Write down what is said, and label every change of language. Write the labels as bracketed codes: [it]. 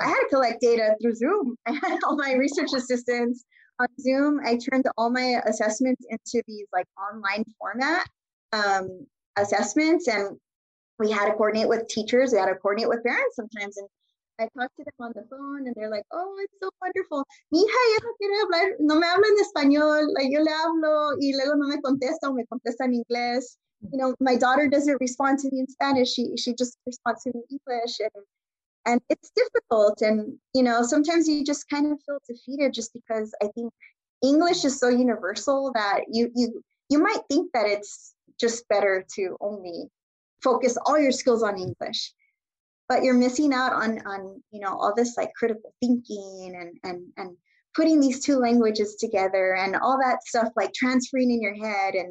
[en] I had to collect data through Zoom. I had all my research assistants on Zoom. I turned all my assessments into these like online format. assessments, and we had to coordinate with teachers, we had to coordinate with parents sometimes, and I talked to them on the phone, and they're like, oh, it's so wonderful. [es] Mija, yo no quiero hablar, no me hablo en español, like, yo le hablo, y luego no me contesta, o me contesta en inglés. [en] You know, my daughter doesn't respond to me in Spanish, she just responds to me in English, and it's difficult, and, you know, sometimes you just kind of feel defeated, just because I think English is so universal that you might think that it's just better to only focus all your skills on English, but you're missing out on you know, all this like critical thinking and putting these two languages together and all that stuff, like transferring in your head.